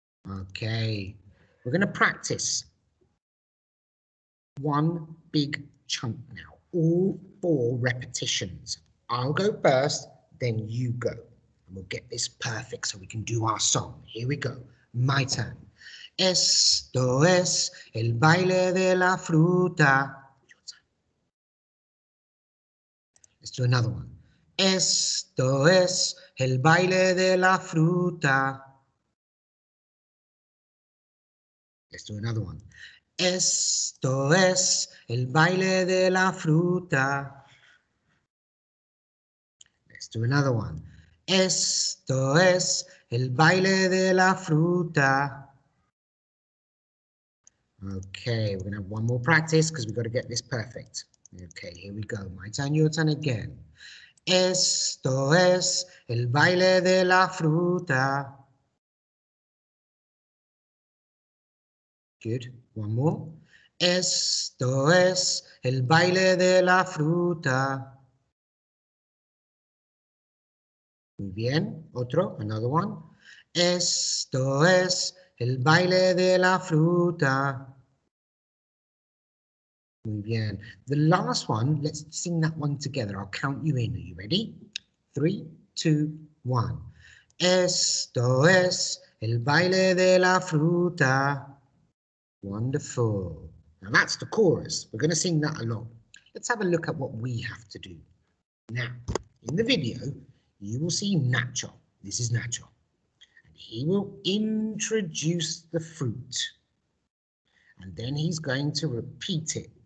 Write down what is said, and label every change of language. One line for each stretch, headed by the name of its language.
English: Okay. We're going to practice one big chunk now. All four repetitions. I'll go first, then you go. And we'll get this perfect so we can do our song. Here we go. My turn.
Spanish: Esto es el baile de la fruta.
English: Your turn. Let's do another one.
Spanish: Esto es el baile de la fruta.
English: Let's do another one.
Spanish: Esto es el baile de la fruta.
English: Let's do another one.
Spanish: Esto es el baile de la fruta.
English: Okay, we're going to have one more practice because we've got to get this perfect. Okay, here we go. My turn, your turn again.
Spanish: Esto es el baile de la fruta.
English: Good. One more.
Spanish: Esto es el baile de la fruta. Muy bien. Otro.
English: Another one.
Spanish: Esto es el baile de la fruta. Muy bien.
English: The last one, let's sing that one together. I'll count you in. Are you ready? 3, 2, 1.
Spanish: Esto es el baile de la fruta.
English: Wonderful. Now that's the chorus. We're going to sing that along. Let's have a look at what we have to do. Now, in the video, you will see Nacho. This is Nacho. And he will introduce the fruit. And then he's going to repeat it.